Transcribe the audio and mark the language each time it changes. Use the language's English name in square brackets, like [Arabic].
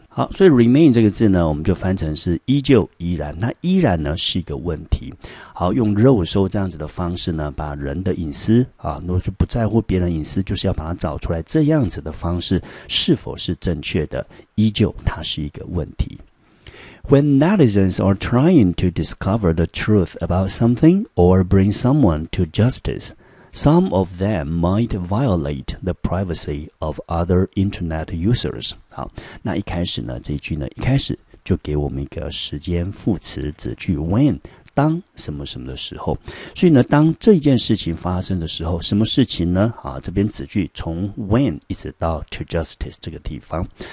[Chinese] 好，所以 remain 这个字呢，我们就翻成是依旧、依然。那依然呢是一个问题。好，用肉搜这样子的方式呢，把人的隐私啊，如果是不在乎别人隐私，就是要把它找出来。这样子的方式是否是正确的？依旧它是一个问题。 [English] When netizens are trying to discover the truth about something or bring someone to justice, some of them might violate the privacy of other internet users. [Chinese] 好，那一开始呢，这一句呢，一开始就给我们一个时间副词子句 when， 当什么什么的时候。所以呢，当这件事情发生的时候，什么事情呢？好，这边子句从 when 一直到 to justice 这个地方。